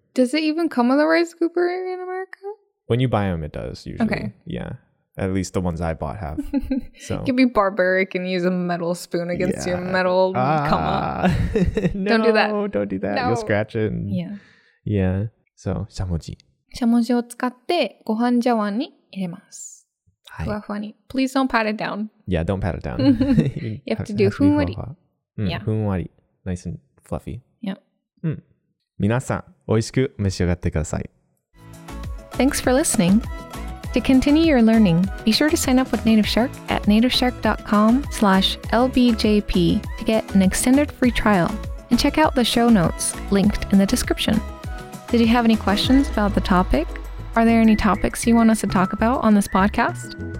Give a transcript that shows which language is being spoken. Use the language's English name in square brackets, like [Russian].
[English] Does it even come with a rice scooper in America? When you buy them, it does usually. Okay. Yeah. At least the ones I bought have. So. You can be barbaric and use a metal spoon against your metal comma. No, don't do that. Don't do that. No. You'll scratch it. Yeah. Yeah. So, shamoji. [Japanese] しゃもじを使ってご飯茶碗に入れます。はい。ふわふわに。 [English] Please don't pat it down. Yeah, don't pat it down. You have to do ふんわり。ふんわり。Nice and fluffy. Yeah. [Japanese] みなさん、おいしく召し上がってください。 [English] Thanks for listening. To continue your learning, be sure to sign up with Native Shark at nativeshark.com/lbjp to get an extended free trial and check out the show notes linked in the description. Did you have any questions about the topic? Are there any topics you want us to talk about on this podcast?